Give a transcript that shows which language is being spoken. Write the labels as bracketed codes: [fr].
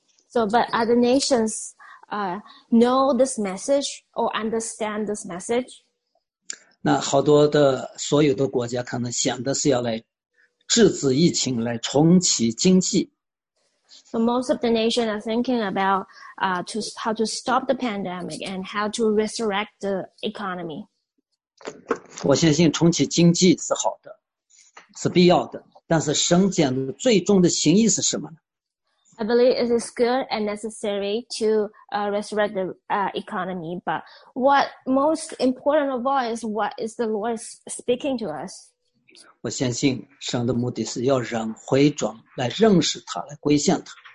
[en] So, but are the nations know this message or understand this message? [zh] 那好多的所有的国家可能想的是要来制止疫情，来重启经济。 [en] So most of the nation are thinking about how to stop the pandemic and how to resurrect the economy. [zh] 我相信重启经济是好的，是必要的。但是神讲的最终的心意是什么呢？ [en] I believe it is good and necessary to resurrect the economy. But what most important of all is what is the Lord speaking to us? [zh] 我相信神的目的是要人回转来认识他，来归向他。